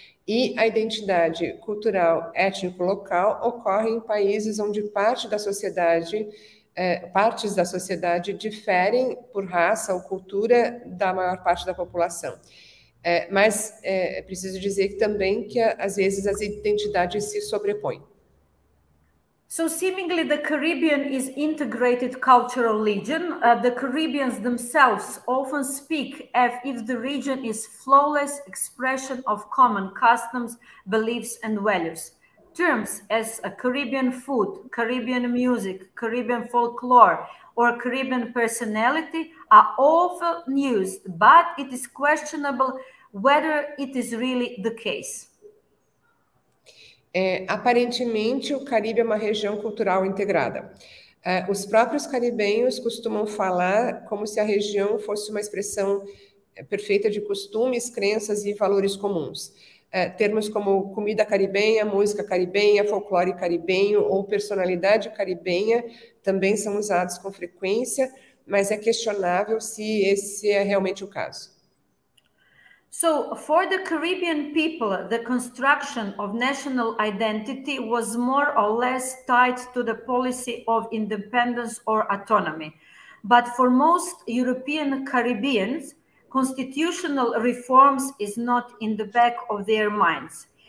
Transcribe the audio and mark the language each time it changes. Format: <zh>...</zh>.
<pt>E a identidade cultural étnico-local ocorre em países onde partes da sociedade diferem por raça ou cultura da maior parte da população. Mas preciso dizer também que às vezes as identidades se sobrepõem.</pt> <en>So seemingly the Caribbean is integrated cultural region. The Caribbeans themselves often speak as if the region is flawless expression of common customs, beliefs and values. Terms as a Caribbean food, Caribbean music, Caribbean folklore, or Caribbean personality are often used, but it is questionable whether it is really the case.</en> <pt>Aparentemente, o Caribe é uma região cultural integrada. Os próprios caribenhos costumam falar como se a região fosse uma expressão perfeita de costumes, crenças e valores comuns. Termos como comida caribenha, música caribenha, folclore caribenho ou personalidade caribenha também são usados com frequência, mas é questionável se esse é realmente o caso.</pt> <en>So, for the Caribbean people, the construction of national identity was more or less tied to the policy of independence or autonomy. But for most European Caribbeans, constitutional reforms is not in the back of their minds.</en>